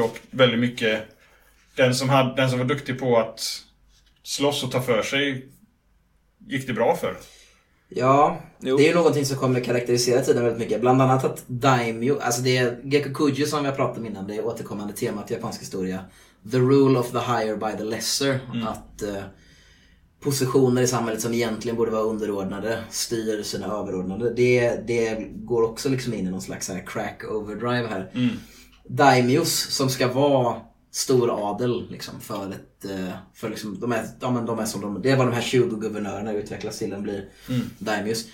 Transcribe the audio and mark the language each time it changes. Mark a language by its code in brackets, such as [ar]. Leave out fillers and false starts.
[sv] Och väldigt mycket... Den som var duktig på att slåss och ta för sig... Gick det bra för... Ja, jo. Det är ju någonting som kommer att karaktärisera tiden väldigt mycket. Bland annat att Daimyo, alltså det är Gekokuju som jag pratade om innan, det är återkommande temat i japansk historia. [en] The rule of the higher by the lesser. Mm. [sv] Att positioner i samhället som egentligen borde vara underordnade styr sina överordnade. Det går också liksom in i någon slags här crack overdrive här. Mm. Daimyos som ska vara stor adel liksom, för ett för liksom, de är, ja, men de är som de, det är vad de här 20 guvernörerna utvecklas till, den blir daimyos.